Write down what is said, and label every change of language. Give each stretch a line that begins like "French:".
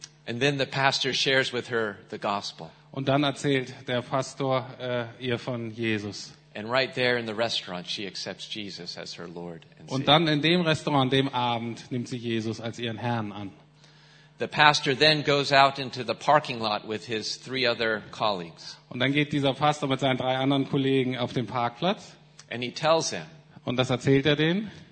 English: And then the pastor shares with her the gospel.
German: Und dann erzählt der Pastor ihr von Jesus.
English: And right there in the restaurant, she accepts Jesus as her Lord and Savior.
German: Und dann in dem Restaurant, dem Abend, nimmt sie Jesus als ihren Herrn an.
English: The pastor then goes out into the parking lot with his 3 other colleagues.
German: Und dann geht dieser Pastor mit seinen 3 anderen Kollegen auf den Parkplatz.
English: And he tells them.
German: Und das erzählt er denen.